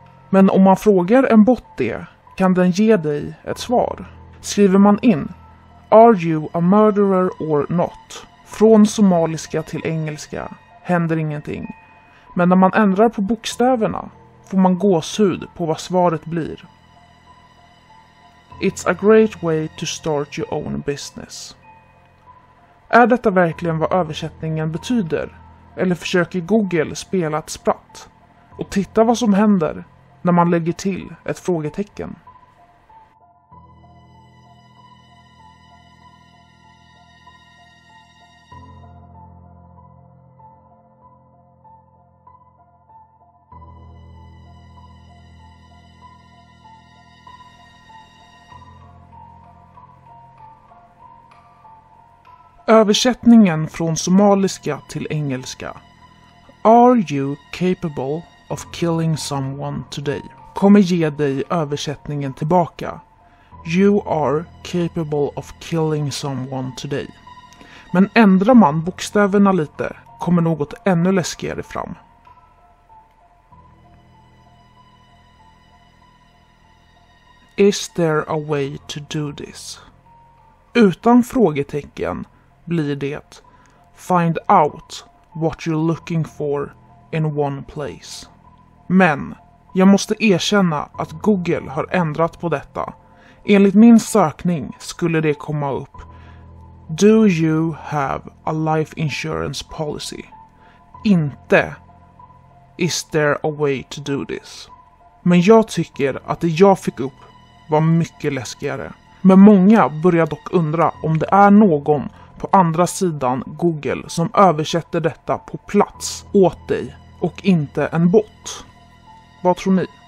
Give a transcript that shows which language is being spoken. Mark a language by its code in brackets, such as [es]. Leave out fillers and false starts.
[sv] Men om man frågar en bot det, kan den ge dig ett svar. Skriver man in, [en] Are you a murderer or not? [sv] Från somaliska till engelska, händer ingenting. Men när man ändrar på bokstäverna, får man gåshud på vad svaret blir. [en] It's a great way to start your own business. [sv] Är detta verkligen vad översättningen betyder? Eller försöker Google spela ett spratt? Och titta vad som händer när man lägger till ett frågetecken. Översättningen från somaliska till engelska. [en] Are you capable of killing someone today? [sv] Kommer ge dig översättningen tillbaka. [en] You are capable of killing someone today. [sv] Men ändrar man bokstäverna lite kommer något ännu läskigare fram. [en] Is there a way to do this? [sv] Utan frågetecken blir det [en] Find out what you're looking for in one place. [sv] Men jag måste erkänna att Google har ändrat på detta. Enligt min sökning skulle det komma upp [en] Do you have a life insurance policy? [sv] Inte [en] Is there a way to do this? [sv] Men jag tycker att det jag fick upp var mycket läskigare. Men många börjar dock undra om det är någon på andra sidan Google som översätter detta på plats åt dig och inte en bot. Vad tror ni?